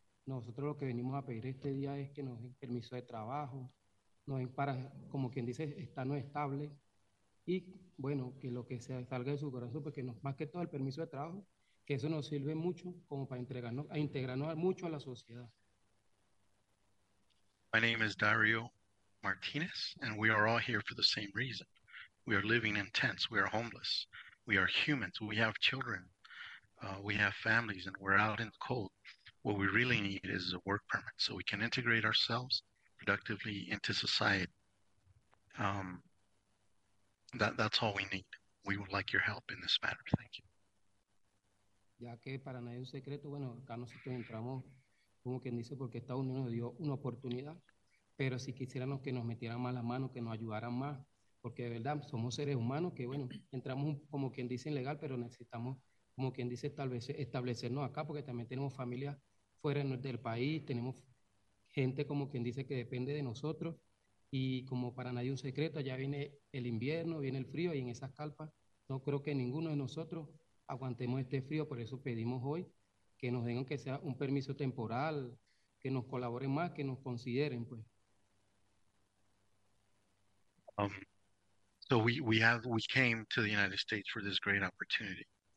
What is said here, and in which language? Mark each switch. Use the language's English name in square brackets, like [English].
[Spanish] Nosotros lo que venimos a pedir este día es que nos den permiso de trabajo, nos den para, como quien dice, estarnos estable. Y bueno, que lo que salga de su corazón, porque no, más que todo el permiso de trabajo, que eso nos sirve mucho como para integrarnos mucho a la sociedad. [English] My name is Dario Martinez, and we are all here for the same reason. We are living in tents. We are homeless. We are humans. We have children. We have families, and we're out in the cold. What we really need is a work permit so we can integrate ourselves productively into society. That's all we need. We would like your help in this matter. Thank you. [Spanish] Ya que para nadie un secreto, bueno, acá nosotros entramos, como quien dice, porque Estados Unidos nos dio una oportunidad. Pero si quisiéramos que nos metieran más las manos, que nos ayudaran más, porque de verdad somos seres humanos que, bueno, entramos como quien dice ilegal, pero necesitamos, como quien dice, tal vez establecernos acá, porque también tenemos familia fuera del país, tenemos gente como quien dice que depende de nosotros, y como para nadie un secreto, ya viene el invierno, viene el frío, y en esas carpas no creo que ninguno de nosotros aguantemos este frío, por eso pedimos hoy que nos den aunque sea un permiso temporal, que nos colaboren más, que nos consideren, pues. [English] So we came to the United States for this great opportunity.